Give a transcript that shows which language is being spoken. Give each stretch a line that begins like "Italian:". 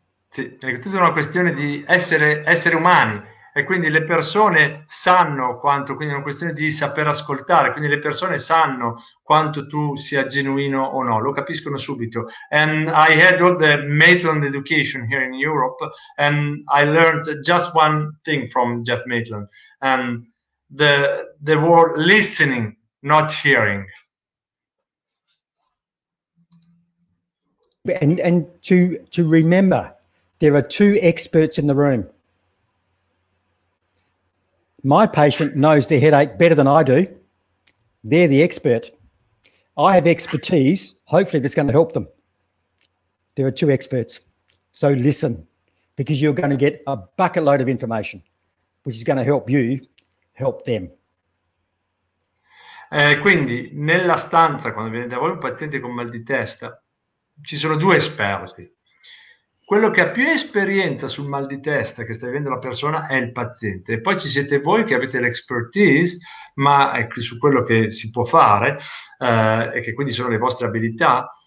Italian: Sì, è tutta una questione di essere umani e quindi le persone sanno quanto, quindi è una questione di saper ascoltare, quindi le persone sanno quanto tu sia genuino o no, lo capiscono subito.
English: And I had all the Maitland education here in Europe, and I learned just one thing from Jeff Maitland, and the word listening, not hearing. And to remember, there are two experts in the room. My patient knows their headache better than I do. They're the expert. I have expertise, hopefully that's going to help them. There are two experts. So listen, because you're going to get a bucket load of information, which is going to help you help them.
Italian: Quindi nella stanza, quando viene da voi un paziente con mal di testa, ci sono due esperti. Quello che ha più esperienza sul mal di testa che sta vivendo la persona è il paziente. E poi ci siete voi che avete l'expertise, ma su quello che si può fare, e che quindi sono le vostre abilità.